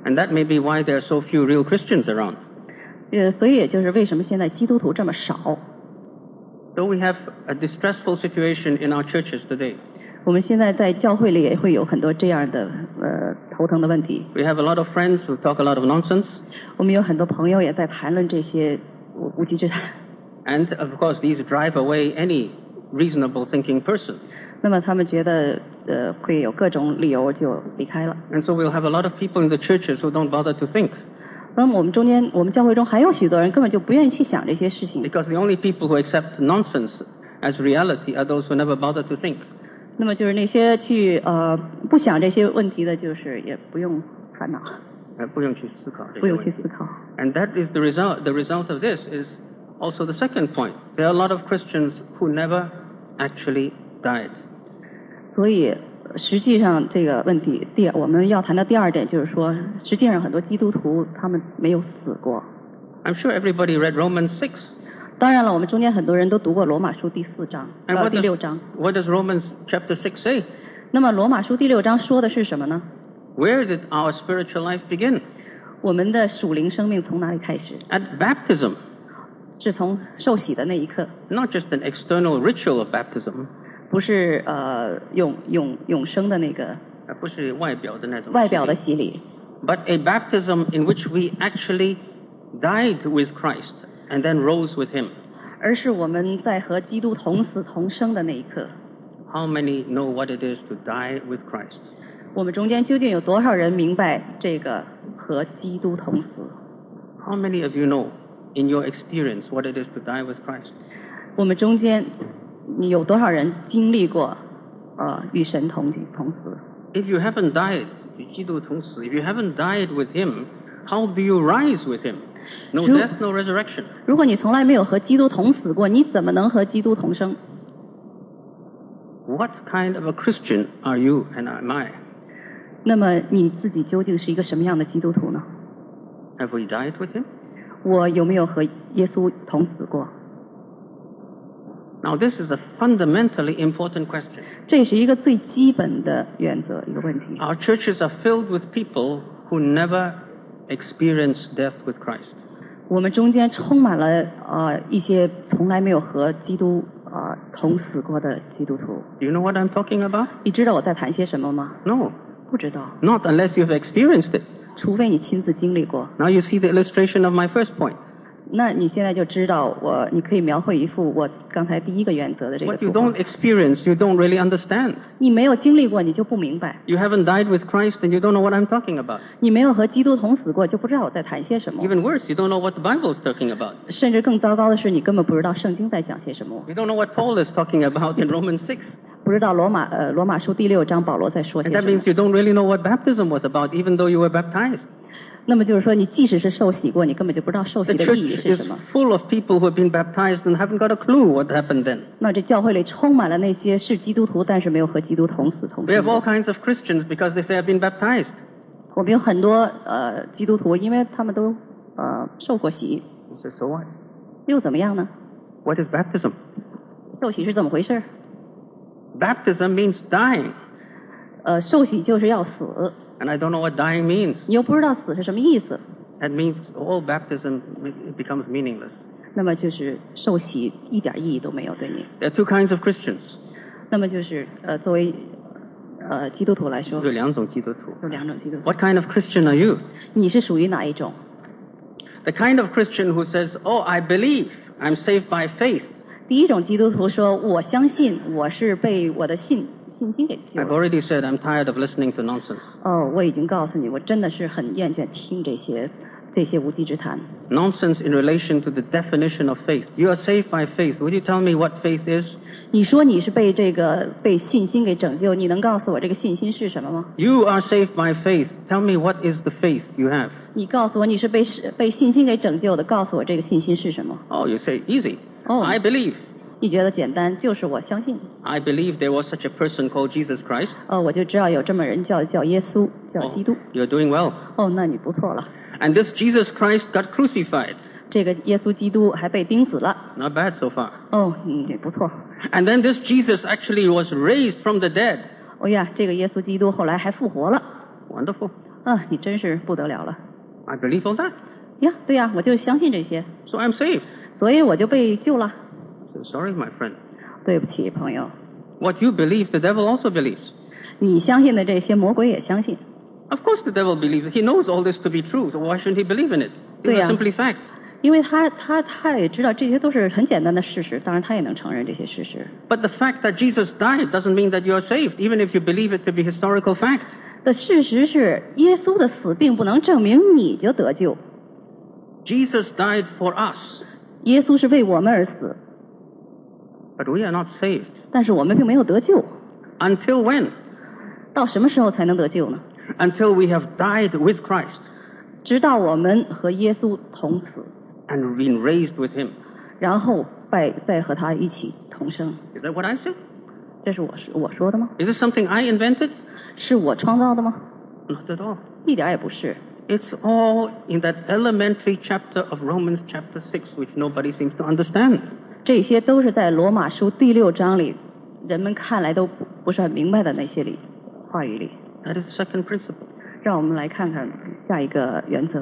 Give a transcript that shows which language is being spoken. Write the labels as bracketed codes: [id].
[en] And that may be why there are so few real Christians around. [zh] 所以也就是为什么现在基督徒这么少。 [en] So we have a distressful situation in our churches today. [zh] 我们现在在教会里也会有很多这样的头疼的问题。 [en] We have a lot of friends who talk a lot of nonsense. [zh] 我们有很多朋友也在谈论这些无稽之谈。 [en] And of course, these drive away any reasonable thinking person. [zh] 那么他们觉得会有各种理由就离开了。 [en] And so we'll have a lot of people in the churches who don't bother to think. [zh] 那么我们教会中还有许多人根本就不愿意去想这些事情。 [en] Because the only people who accept nonsense as reality are those who never bother to think. [zh] 那么就是那些去不想这些问题的，就是也不用烦恼。不用去思考。不用去思考。 [en] And that is the result of this is also the second point. There are a lot of Christians who never actually died. [zh] 所以实际上这个问题我们要谈的第二点就是说，实际上很多基督徒他们没有死过。 [en] I'm sure everybody read Romans 6. [zh] 当然了，我们中间很多人都读过罗马书第四章到第六章。 [en] What does Romans chapter 6 say? [zh] 那么罗马书第六章说的是什么呢？ [en] Where did our spiritual life begin? [zh] 我们的属灵生命从哪里开始？ [en] At baptism. [zh] 是从受洗的那一刻。 [en] Not just an external ritual of baptism. [zh] 不是永生的那个，不是外表的那种外表的洗礼 [en] ，but a baptism in which we actually died with Christ and then rose with Him. [zh] 而是我们在和基督同死同生的那一刻。 [en] How many know what it is to die with Christ? [zh] 我们中间究竟有多少人明白这个和基督同死？ [en] How many of you know in your experience what it is to die with Christ? [zh] 我们中间你有多少人经历过与神同死？ [en] If you haven't died [zh] 与基督同死， [en] if you haven't died with him, how do you rise with him? No death, no resurrection. [zh] 如果你从来没有和基督同死过，你怎么能和基督同生？ [en] What kind of a Christian are you and am I? [zh] 那么你自己究竟是一个什么样的基督徒呢？ [en] Have we died with him? [zh] 我有没有和耶稣同死过？ [en] Now this is a fundamentally important question. [zh] 这是一个最基本的原则一个问题。 [en] Our churches are filled with people who never experienced death with Christ. [zh] 我们中间充满了一些从来没有和基督同死过的基督徒。 [en] Do you know what I'm talking about? [zh] 你知道我在谈些什么吗？ [en] No. [zh] 不知道。 [en] Not unless you've experienced it. [zh] 除非你亲自经历过。 [en] Now you see the illustration of my first point. [zh] 那你现在就知道我，你可以描绘一幅我刚才第一个原则的这个图画。 [en] What you don't experience, you don't really understand. [zh] 你没有经历过，你就不明白。 [en] You haven't died with Christ, and you don't know what I'm talking about. [zh] 你没有和基督同死过，就不知道我在谈些什么。 [en] Even worse, you don't know what the Bible is talking about. [zh] 甚至更糟糕的是，你根本不知道圣经在讲些什么。 [en] You don't know what Paul is talking about in Romans 6. [zh] 不知道罗马书第六章保罗在说些什么。 [en] And that means you don't really know what baptism was about, even though you were baptized. [zh] 那么就是说，你即使是受洗过，你根本就不知道受洗的意义是什么。 [en] The church is full of people who have been baptized and haven't got a clue what happened then. [zh] 那这教会里充满了那些是基督徒，但是没有和基督同死同生。 [en] We have all kinds of Christians because they say I've been baptized. [zh] 我们有很多基督徒，因为他们都受过洗。 [en] He says, so what? [zh] 又怎么样呢？ [en] What is baptism? [zh] 受洗是怎么回事？ [en] Baptism means dying. [zh] 受洗就是要死。 [en] And I don't know what dying means. [zh] 你又不知道死是什么意思。 [en] That means all baptism becomes meaningless. [zh] 那么就是受洗一点意义都没有对你。 [en] There are two kinds of Christians. [zh] 那么就是作为基督徒来说。有两种基督徒。有两种基督徒。 [en] What kind of Christian are you? [zh] 你是属于哪一种？ [en] The kind of Christian who says, "Oh, I believe. I'm saved by faith." [zh] 第一种基督徒说，我相信，我是被我的信。 [en] I've already said I'm tired of listening to nonsense. [zh] 我已经告诉你，我真的是很厌倦听这些无稽之谈。 [en] Nonsense in relation to the definition of faith. You are saved by faith. Would you tell me what faith is? [zh] 你说你是被信心给拯救，你能告诉我这个信心是什么吗？ [en] You are saved by faith. Tell me what is the faith you have. [zh] 你告诉我你是被信心给拯救的，告诉我这个信心是什么？ [en] Oh, you say easy. Oh, I believe. [zh] 你觉得简单，就是我相信。 [en] I believe there was such a person called Jesus Christ. [zh] 我就知道有这么人叫耶稣，叫基督。 [en] Oh, you're doing well. [zh] 那你不错了。 [en] And this Jesus Christ got crucified. [zh] 这个耶稣基督还被钉死了。 [en] Not bad so far. [zh] 也不错。 [en] And then this Jesus actually was raised from the dead. [zh] 这个耶稣基督后来还复活了。 [en] Wonderful. [zh] 你真是不得了了。 [en] I believe all that. [zh] 对呀，我就相信这些。 [en] So I'm saved. [zh] 所以我就被救了。 [en] Sorry, my friend. [zh] 对不起，朋友。 [en] What you believe, the devil also believes. [zh] 你相信的这些，魔鬼也相信。 [en] Of course, the devil believes. He knows all this to be true. So why shouldn't he believe in it? These are simply facts. [zh] 因为他也知道这些都是很简单的事实，当然他也能承认这些事实。 [en] But the fact that Jesus died doesn't mean that you are saved, even if you believe it to be historical fact. [zh] 的事实是，耶稣的死并不能证明你就得救。 [en] Jesus died for us. [zh] 耶稣是为我们而死。 [en] But we are not saved. [zh] 但是我们并没有得救。 [en] Until when? [zh] 到什么时候才能得救呢？ [en] Until we have died with Christ. [zh] 直到我们和耶稣同死。 [en] And been raised with him. [zh] 然后再和他一起同生。 [en] Is that what I said? [zh] 这是我说的吗？ [en] Is this something I invented? [zh] 是我创造的吗？ [en] Not at all. [zh] 一点也不是。 [en] It's all in that elementary chapter of Romans chapter 6, which nobody seems to understand. [zh] 这些都是在罗马书第六章里人们看来都不是很明白的那些话语里。 [en] That is the second principle. [zh] 让我们来看看下一个原则。